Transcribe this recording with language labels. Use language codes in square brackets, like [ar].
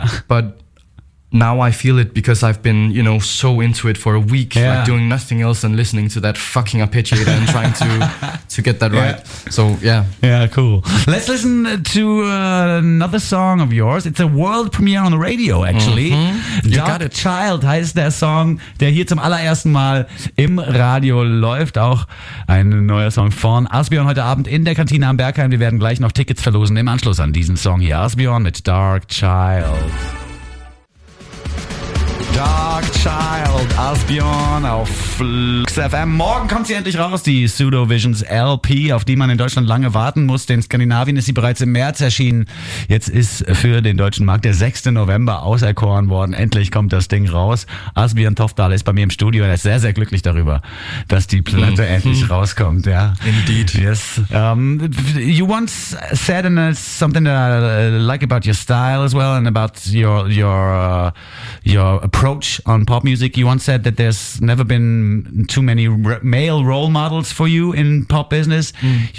[en] But now I feel it, because I've been, you know, so into it for a week, like, doing nothing else than listening to that fucking arpeggiator and trying to get that right. So, Cool. Let's listen to another song of yours. It's a world premiere on the radio, actually. Dark [de] Child heißt der Song, der hier zum allerersten Mal im Radio läuft. Auch ein neuer Song von Asbjørn heute Abend in der Kantine am Bergheim. Wir werden gleich noch Tickets verlosen im Anschluss an diesen Song hier. Asbjørn mit Dark Child. Dark Child, Asbjørn auf XFM. Morgen kommt sie endlich raus, die Pseudovisions LP, auf die man in Deutschland lange warten musste. In Skandinavien ist sie bereits im März erschienen. Jetzt ist für den deutschen Markt der 6. November auserkoren worden. Endlich kommt das Ding raus. Asbjørn Toftdal ist bei mir im Studio und er ist sehr, sehr glücklich darüber, dass die Platte endlich rauskommt. [en] Indeed. Yes. You once said in something that I like about your style as well, and about your approach on on pop music. You once said that there's never been too many male role models for you in pop business. Mm.